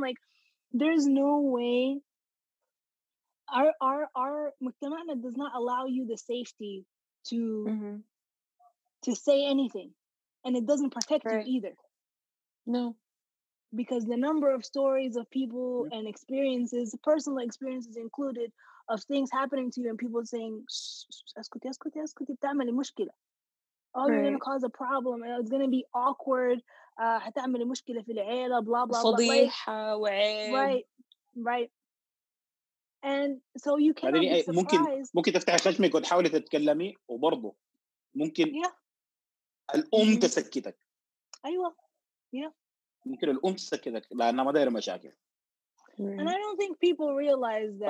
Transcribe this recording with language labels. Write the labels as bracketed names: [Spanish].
[English] Like, there's no way our [Arabic] مجتمعنا [English] does not allow you the safety to to say anything, and it doesn't protect you either. No. Because the number of stories of people and experiences, personal experiences included, of things happening to you and people saying, [Arabic] اسكتي بتعملي مشكلة. [English] You're going to cause a problem. It's going to be awkward. [Arabic] هتعملي مشكلة في العيلة, [English] blah, blah, blah. [Arabic] صديحة وعيب. [English] Right. And so you cannot be surprised. [Arabic] ممكن ممكن تفتحي خشمك وتحاولي تتكلمي وبرضه ممكن [English] yeah. [Arabic] الأم تسكتك. أيوة. [English] Yeah. [Arabic] ممكن الأم تسكتك لأنها ما داير مشاكل. [English] And I don't think people realize that.